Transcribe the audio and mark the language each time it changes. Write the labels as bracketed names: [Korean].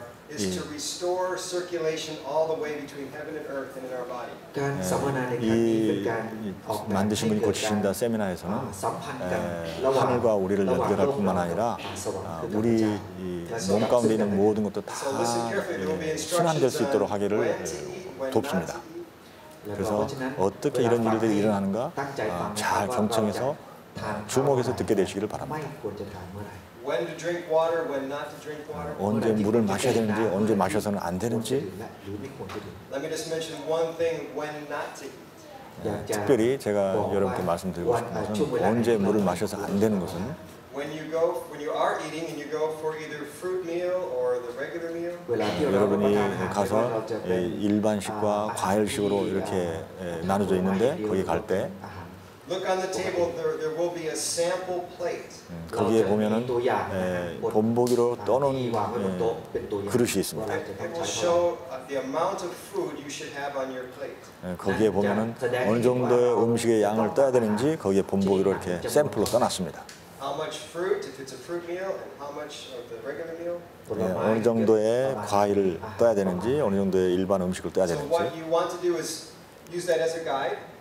[Korean] 이 만드신 분이 고치신다 세미나에서는 하늘과 우리를 연결할 뿐만 아니라 우리 몸 가운데 있는 모든 것도 다 순환될 수 있도록 하기를 돕습니다. 그래서 어떻게 이런 일들이 일어나는가 잘 경청해서 주목해서 듣게 되시기를 바랍니다. [English] When to drink water, when not to drink water. [Korean] 언제 물을 마셔야 되는지, 언제 마셔서는 안 되는지. [English] Let me just mention one thing: when not to eat. [Korean] 특별히 제가 여러분께 말씀드리고 싶은 것은 언제 물을 마셔서 안 되는 것은. [English] When you are eating and you go for either fruit meal or the regular meal. [Korean] 여러분이 가서 일반식과 과일식으로 이렇게 나눠져 있는데 거기 갈 때. [English] Look on the table. There will be a sample plate. [Korean] 거기에 보면은 본보기로 떠놓은 그릇이 있습니다. [English] It will show the amount of food you should have on your plate. [Korean] 거기에 보면은 어느 정도의 음식의 양을 떠야 되는지 거기에 본보기로 이렇게 샘플로 떠놨습니다. [English] How much fruit? If it's a fruit meal, and how much of the regular meal? [Korean] 어느 정도의 과일을 떠야 되는지 어느 정도의 일반 음식을 떠야 되는지. [English] So what you want to do is use that as a guide.